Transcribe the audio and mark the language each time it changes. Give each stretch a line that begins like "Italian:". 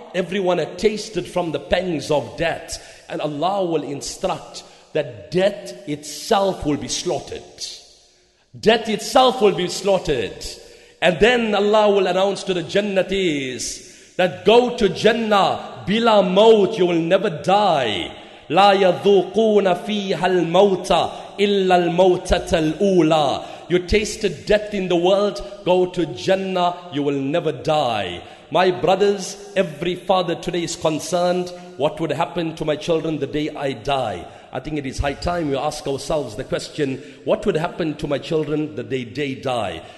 English: Everyone had tasted from the pangs of death. And Allah will instruct, that death itself will be slaughtered. Death itself will be slaughtered. And then Allah will announce to the Jannatis that go to Jannah,
Arabic: bila maut,
English: you will never die.
Arabic: لا يذوقون فيها الموت إلا الموتة الأولى.
English: You tasted death in the world, go to Jannah, you will never die. My brothers, every father today is concerned, what would happen to my children the day I die? I think it is high time we ask ourselves the question, what would happen to my children the day they die?